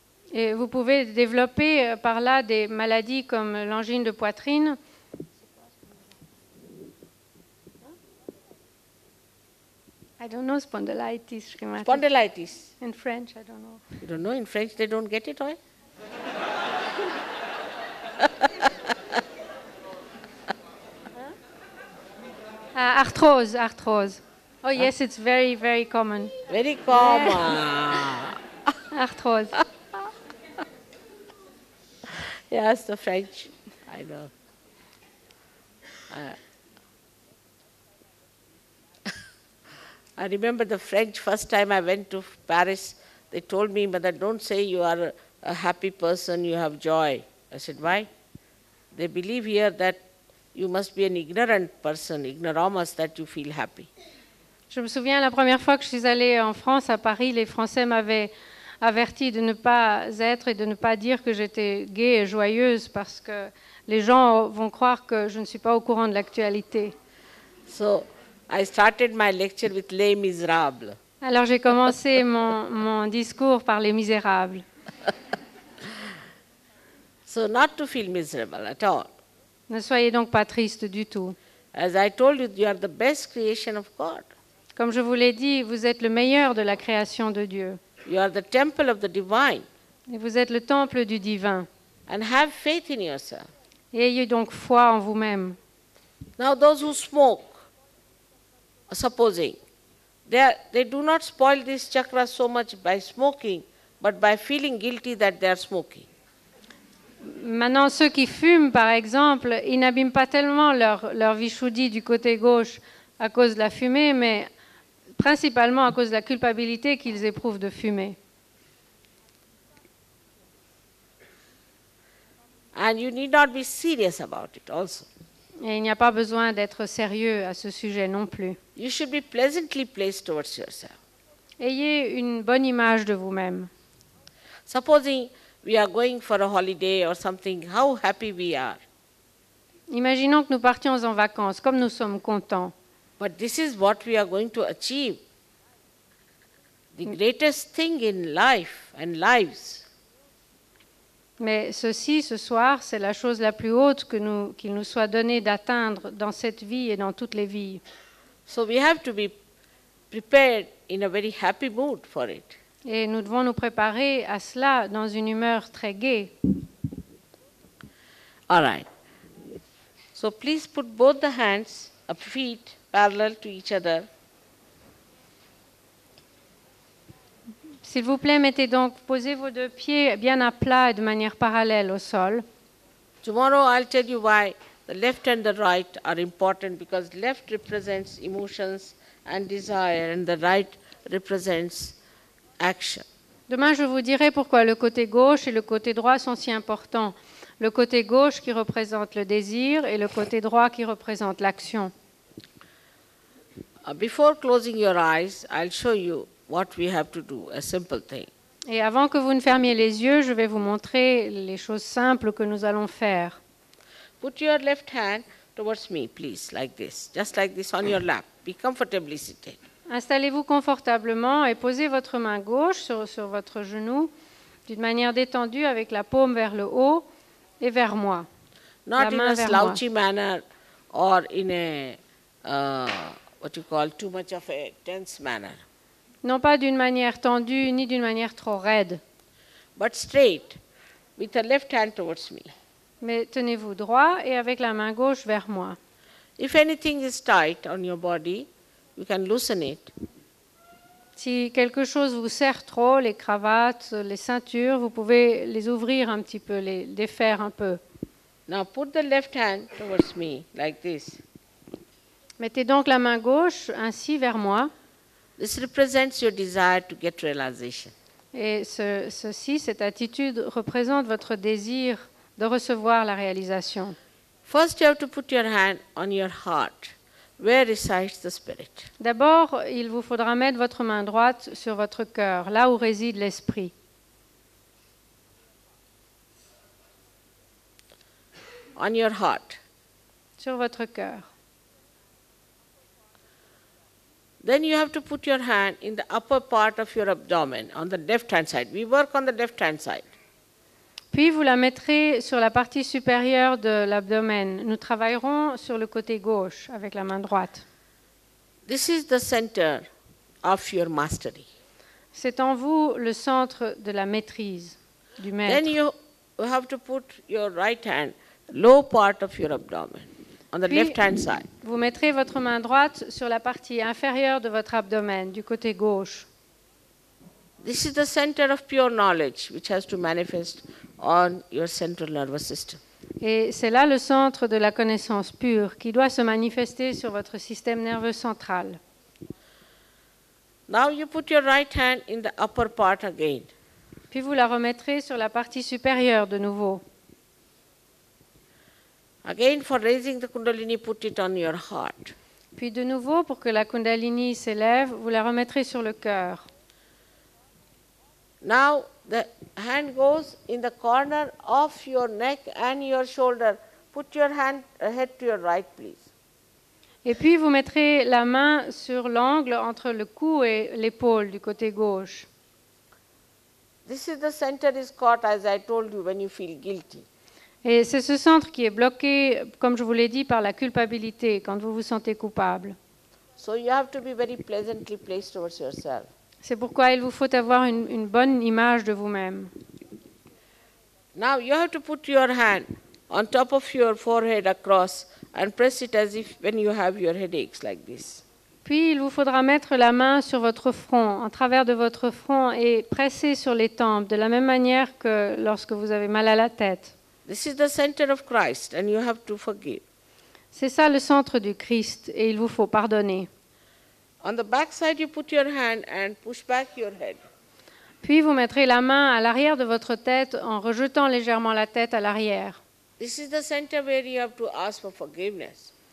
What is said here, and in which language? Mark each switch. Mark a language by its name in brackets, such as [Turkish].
[French] Et vous pouvez développer par là des maladies comme l'angine de poitrine. [English] I don't know spondylitis. Spondylitis. In French, I don't know. You don't know in French, they don't get it, right? [French] arthrose, arthrose. [English] Oh yes, it's very, very common. Very common. Yeah. Arthrose. Yes, the French. I know. I remember the French first time I went to Paris. They told me, Mother, don't say you are a happy person, you have joy. I said, why? They believe here that you must be an ignorant person, ignoramus, that you feel happy. [French] Je me souviens la première fois que je suis allée en France, à Paris, les Français m'avaient averti de ne pas être et de ne pas dire que j'étais gaie et joyeuse parce que les gens vont croire que je ne suis pas au courant de l'actualité. [English] So, I started my lecture with Les Misérables. [French] Alors j'ai commencé mon discours par Les Misérables. [English] So, not to feel miserable at all. [French] Ne soyez donc pas triste du tout. [English] As I told you, you are the best creation of God. [French] Comme je vous l'ai dit, vous êtes le meilleur de la création de Dieu. [English] You are the temple of the divine. [French] Et vous êtes le temple du divin. [English] And have faith in yourself. [French] Et ayez donc foi en vous-même. [English] Now those who smoke, supposing, they do not spoil this chakra so much by smoking, but by feeling guilty that they are smoking. [French] Maintenant, ceux qui fument, par exemple, ils n'abîment pas tellement leur vishuddhi du côté gauche à cause de la fumée, mais principalement à cause de la culpabilité qu'ils éprouvent de fumer. [English] And you need not be serious about it also. [French] Et il n'y a pas besoin d'être sérieux à ce sujet non plus. [English] You should be pleasantly placed towards yourself. [French] Ayez une bonne image de vous-même. [English] Supposing we are going for a holiday or something, how happy we are. [French] Imaginons que nous partions en vacances, comme nous sommes contents. [English] But this is what we are going to achieve. The greatest thing in life and lives. [French] Mais ceci, ce soir, c'est la chose la plus haute que nous, qu'il nous soit donné d'atteindre dans cette vie et dans toutes les vies. [English] So we have to be prepared in a very happy mood for it. [French] Et nous devons nous préparer à cela dans une humeur très gaie. [English] All right. So please put both the hands, feet parallel to each other. [French] S'il vous plaît, mettez donc, posez vos deux pieds bien à plat et de manière parallèle au sol. [English] Tomorrow I'll tell you why the left and the right are important, because left represents emotions and desire and the right represents action. [French] Demain, je vous dirai pourquoi le côté gauche et le côté droit sont si importants. Le côté gauche qui représente le désir et le côté droit qui représente l'action. [English] Before closing your eyes, I'll show you what we have to do, a simple thing. [French] Et avant que vous ne fermiez les yeux, je vais vous montrer les choses simples que nous allons faire. [English] Put your left hand towards me, please, like this. Just like this on your lap. Be comfortably seated. [French] Installez-vous confortablement et posez votre main gauche sur votre genou d'une manière détendue avec la paume vers le haut et vers moi. [English] Not in a slouchy manner or in a too much of a tense manner. [French] Non pas d'une manière tendue ni d'une manière trop raide. [English] But straight, with the left hand towards me. [French] Mais tenez-vous droit et avec la main gauche vers moi. [English] If anything is tight on your body, you can loosen it. [French] Si quelque chose vous serre trop, les cravates, les ceintures, vous pouvez les ouvrir un petit peu, les défaire un peu. [English] Now put the left hand towards me like this. [French] Mettez donc la main gauche ainsi vers moi. [English] This represents your desire to get realization. [French] Et cette attitude représente votre désir de recevoir la réalisation. [English] First, you have to put your hand on your heart, where resides the spirit. [French] D'abord, il vous faudra mettre votre main droite sur votre cœur, là où réside l'esprit. [English] On your heart. [French] Sur votre cœur. [English] Then you have to put your hand in the upper part of your abdomen, on the left-hand side. We work on the left-hand side. [French] Puis vous la mettrez sur la partie supérieure de l'abdomen. Nous travaillerons sur le côté gauche avec la main droite. [English] This is the center of your mastery. [French] C'est en vous le centre de la maîtrise du maître. [English] Then you have to put your right hand, low part of your abdomen. On the left-hand side. [French] Vous mettrez votre main droite sur la partie inférieure de votre abdomen, du côté gauche. [English] This is the center of pure knowledge, which has to manifest on your central nervous system. [French] Et c'est là le centre de la connaissance pure qui doit se manifester sur votre système nerveux central. [English] Now you put your right hand in the upper part again. [French] Puis vous la remettrez sur la partie supérieure de nouveau. [English] Again, for raising the kundalini, put it on your heart. [French] Puis de nouveau, pour que la kundalini s'élève, vous la remettrez sur le cœur. [English] Now, the hand goes in the corner of your neck and your shoulder. Put your hand ahead to your right, please. [French] Et puis, vous mettrez la main sur l'angle entre le cou et l'épaule du côté gauche. [English] This is the center is caught, as I told you, when you feel guilty. [French] Et c'est ce centre qui est bloqué, comme je vous l'ai dit, par la culpabilité, quand vous vous sentez coupable. [English] So you have to be very pleasantly placed towards yourself. [French] C'est pourquoi il vous faut avoir une bonne image de vous-même. [English] Now you have to put your hand on top of your forehead across and press it as if when you have your headaches like this. [French] Puis il vous faudra mettre la main sur votre front, en travers de votre front, et presser sur les tempes, de la même manière que lorsque vous avez mal à la tête. [English] This is the center of Christ, and you have to forgive. [French] C'est ça le centre du Christ, et il vous faut pardonner. [English] On the back side, you put your hand and push back your head. [French] Puis vous mettrez la main à l'arrière de votre tête en rejetant légèrement la tête à l'arrière. [English] This is the center where you have to ask for forgiveness.